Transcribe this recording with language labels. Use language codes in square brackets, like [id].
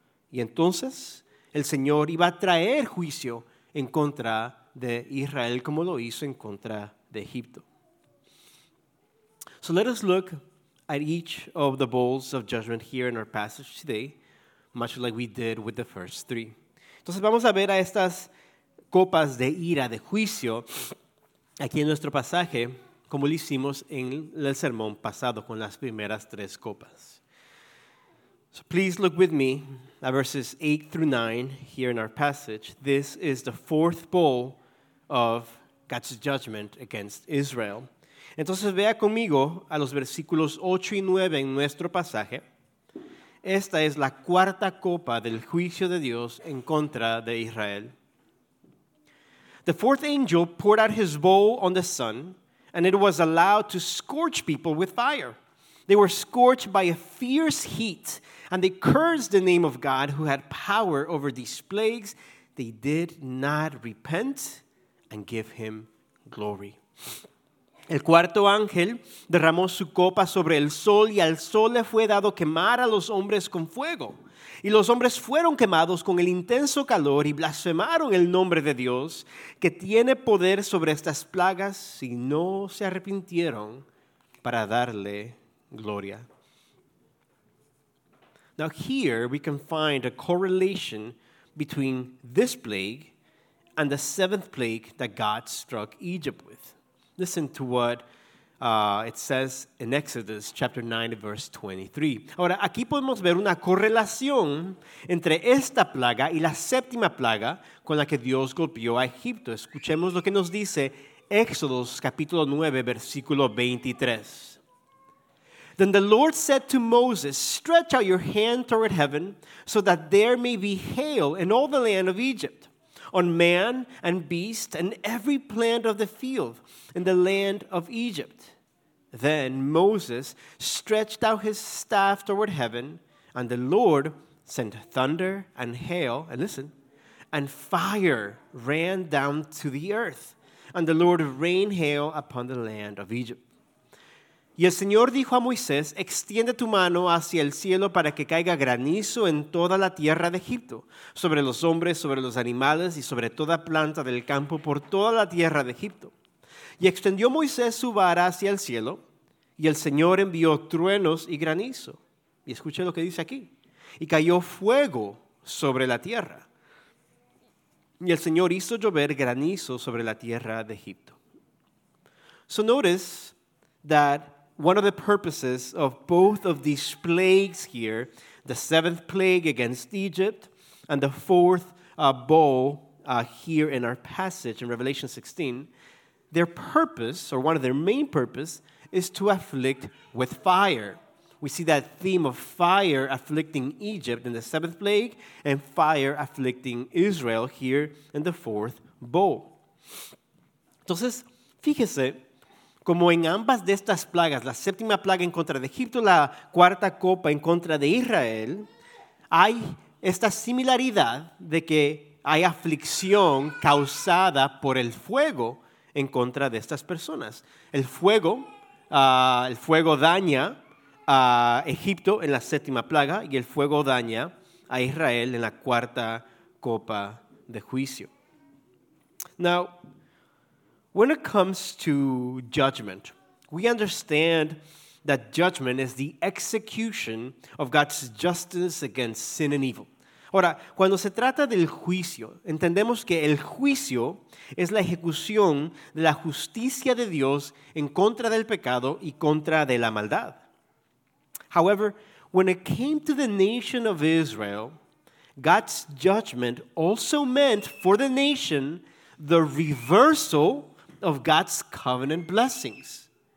[es] Y entonces el Señor iba a traer juicio en contra de Israel como lo hizo en contra de Egipto. [en] So let us look at each of the bowls of judgment here in our passage today, much like we did with the first three. [es] Entonces vamos a ver a estas copas de ira, de juicio, aquí en nuestro pasaje, como lo hicimos en el sermón pasado con las primeras tres copas. [en] So please look with me at verses 8 through 9 here in our passage. This is the fourth bowl of God's judgment against Israel. [es] Entonces vea conmigo a los versículos 8 y 9 en nuestro pasaje. Esta es la cuarta copa del juicio de Dios en contra de Israel. [en] The fourth angel poured out his bowl on the sun, and it was allowed to scorch people with fire. They were scorched by a fierce heat, and they cursed the name of God who had power over these plagues. They did not repent and give him glory. [es] El cuarto ángel derramó su copa sobre el sol, y al sol le fue dado quemar a los hombres con fuego. Y los hombres fueron quemados con el intenso calor y blasfemaron el nombre de Dios, que tiene poder sobre estas plagas, y no se arrepintieron para darle gloria. [en] Now here we can find a correlation between this plague and the seventh plague that God struck Egypt with. Listen to what it says in Exodus chapter 9, verse 23. [es] Ahora, aquí podemos ver una correlación entre esta plaga y la séptima plaga con la que Dios golpeó a Egipto. Escuchemos lo que nos dice Exodus capítulo 9, versículo 23. [en] Then the Lord said to Moses, stretch out your hand toward heaven so that there may be hail in all the land of Egypt, on man and beast and every plant of the field in the land of Egypt. Then Moses stretched out his staff toward heaven, and the Lord sent thunder and hail, and listen, and fire ran down to the earth, and the Lord rained hail upon the land of Egypt. [es] Y el Señor dijo a Moisés, extiende tu mano hacia el cielo para que caiga granizo en toda la tierra de Egipto, sobre los hombres, sobre los animales y sobre toda planta del campo por toda la tierra de Egipto. Y extendió Moisés su vara hacia el cielo, y el Señor envió truenos y granizo. Y escuche lo que dice aquí. Y cayó fuego sobre la tierra. Y el Señor hizo llover granizo sobre la tierra de Egipto. [en] So notice that one of the purposes of both of these plagues here, the seventh plague against Egypt and the fourth bowl here in our passage in Revelation 16, their purpose, or one of their main purpose, is to afflict with fire. We see that theme of fire afflicting Egypt in the seventh plague and fire afflicting Israel here in the fourth bowl. [es] Entonces, fíjese, como en ambas de estas plagas, la séptima plaga en contra de Egipto, la cuarta copa en contra de Israel, hay esta similaridad de que hay aflicción causada por el fuego en contra de estas personas. El fuego daña a Egipto en la séptima plaga y el fuego daña a Israel en la cuarta copa de juicio. [en] Now, when it comes to judgment, we understand that judgment is the execution of God's justice against sin and evil. [es] Ahora, cuando se trata del juicio, entendemos que el juicio es la ejecución de la justicia de Dios en contra del pecado y contra de la maldad. [en] However, when it came to the nation of Israel, God's judgment also meant for the nation the reversal of God's covenant blessings.